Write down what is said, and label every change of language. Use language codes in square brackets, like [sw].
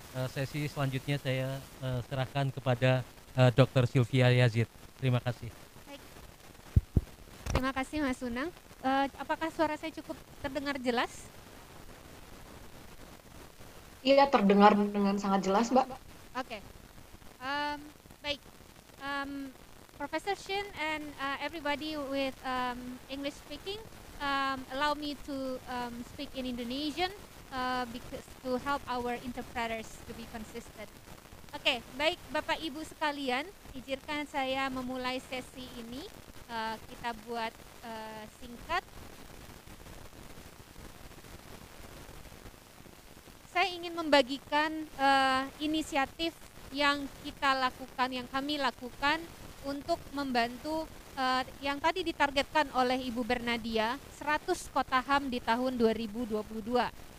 [id] Sesi selanjutnya saya serahkan kepada Dr. Sylvia Yazid. Terima kasih. Baik. Terima kasih Mas Sunang. Apakah suara saya cukup terdengar jelas? Iya, terdengar dengan sangat jelas, Mbak. Oke. Okay. Baik. [en] Professor Shin and everybody with English speaking, allow me to speak in Indonesian because to help our interpreters to be consistent. [id] Oke, okay, baik Bapak Ibu sekalian, izinkan saya memulai sesi ini. Kita buat singkat. Saya ingin membagikan inisiatif yang kita lakukan, yang kami lakukan untuk membantu yang tadi ditargetkan oleh Ibu Bernadia, 100 kota HAM di tahun 2022.